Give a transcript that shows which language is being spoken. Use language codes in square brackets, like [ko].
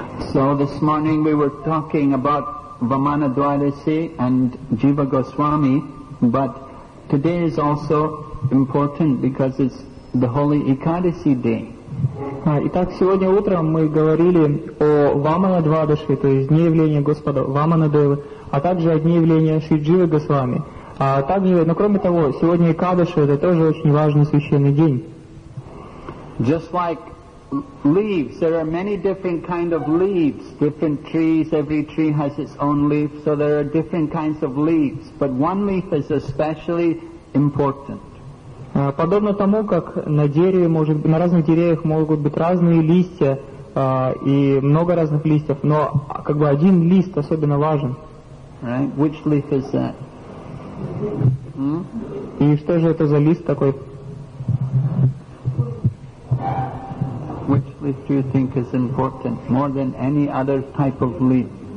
[en] So this morning we were talking about Vamana Dwadasi and Jiva Goswami, but today is also important because it's the Holy Ekadasi day. [ru] Итак, сегодня утром мы говорили о Вамана Двадаши, то есть дне явления Господа Вамана Девы, а также о дне явления Шри Дживы Госвами. А также, но кроме того, сегодня Экадаши — это тоже очень важный священный день. [en] Just like leaves, there are many different kinds of leaves, different trees, every tree has its own leaf, so there are different kinds of leaves, but one leaf is especially important. [ru] Подобно тому, как на дереве может, на разных деревьях могут быть разные листья и много разных листьев, но как бы один лист особенно важен. [en] Right. Which leaf is that? [ru] И что же это за лист такой? [en] Which leaf do you think is important more than any other type of leaf?